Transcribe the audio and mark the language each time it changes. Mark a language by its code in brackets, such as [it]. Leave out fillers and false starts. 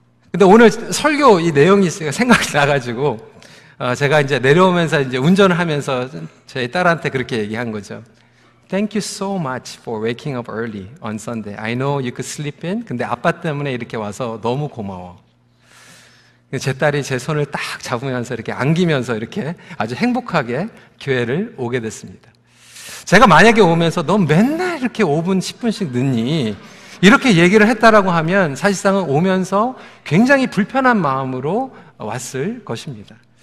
[ko] 근데 오늘 설교 이 내용이 있어요. 생각이 나가지고 제가 이제 내려오면서 이제 운전을 하면서 저희 딸한테 그렇게 얘기한 거죠. [en] Thank you so much for waking up early on Sunday. I know you could sleep in. [ko] 근데 아빠 때문에 이렇게 와서 너무 고마워. 제 딸이 제 손을 딱 잡으면서 이렇게 안기면서 이렇게 아주 행복하게 교회를 오게 됐습니다. 제가 만약에 오면서 넌 맨날 이렇게 5분, 10분씩 늦니? 이렇게 얘기를 했다라고 하면 사실상은 오면서 굉장히 불편한 마음으로 왔을 것입니다.